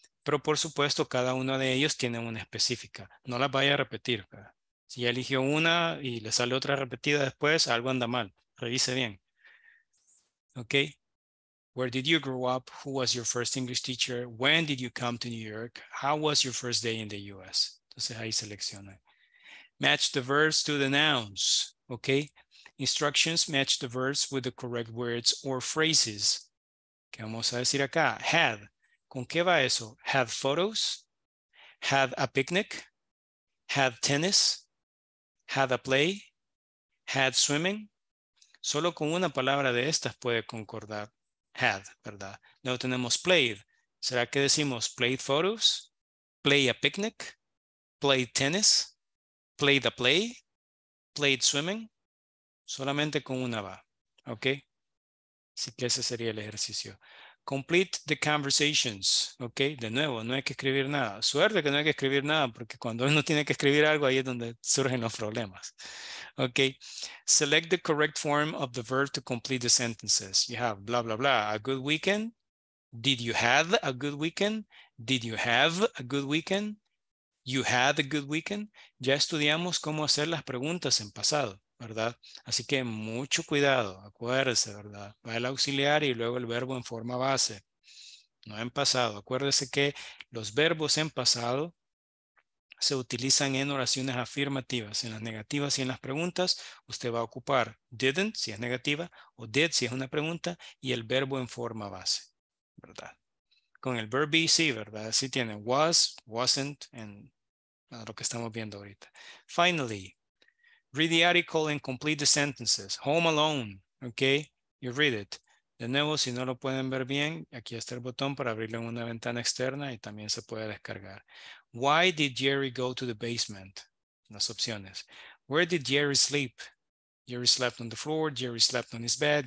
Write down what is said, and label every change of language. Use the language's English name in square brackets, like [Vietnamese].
[Spanish] Pero por supuesto, cada uno de ellos tiene una específica. No las vaya a repetir. Si ya eligió una y le sale otra repetida después, algo anda mal. Revise bien. Okay. [English] Where did you grow up? Who was your first English teacher? When did you come to New York? How was your first day in the US? [Spanish] Entonces ahí selecciona. [English] Match the verbs to the nouns, okay? Instructions, match the verbs with the correct words or phrases. [Spanish] ¿Qué vamos a decir acá? Have. ¿Con qué va eso? [English] Have photos. Have a picnic. Have tennis. Have a play. Have swimming. [Spanish] Solo con una palabra de estas puede concordar. [English] Had, ¿verdad? [Spanish] No tenemos [English] played. [Spanish] ¿Será que decimos [English] played photos? Play a picnic? Play tennis? Play the play? Played swimming? [Spanish] Solamente con una va. ¿Ok? Así que ese sería el ejercicio. [English] Complete the conversations. [Spanish] ¿Ok? De nuevo, no hay que escribir nada. Suerte que no hay que escribir nada, porque cuando uno tiene que escribir algo, ahí es donde surgen los problemas. [English] Ok, select the correct form of the verb to complete the sentences. You have blah, blah, blah, a good weekend. Did you have a good weekend? Did you have a good weekend? You had a good weekend. [Spanish] Ya estudiamos cómo hacer las preguntas en pasado, ¿verdad? Así que mucho cuidado, acuérdese, ¿verdad? Va el auxiliar y luego el verbo en forma base, no en pasado. Acuérdese que los verbos en pasado se utilizan en oraciones afirmativas. En las negativas y en las preguntas, usted va a ocupar didn't, si es negativa, o did, si es una pregunta, y el verbo en forma base, ¿verdad? Con el verb be, sí, ¿verdad? Sí tiene was, wasn't, en lo que estamos viendo ahorita. [English] Finally, read the article and complete the sentences. Home alone, okay? You read it. [Spanish] De nuevo, si no lo pueden ver bien, aquí está el botón para abrirlo en una ventana externa y también se puede descargar. [English] Why did Jerry go to the basement? [Spanish] Las opciones. [English] Where did Jerry sleep? Jerry slept on the floor. Jerry slept on his bed.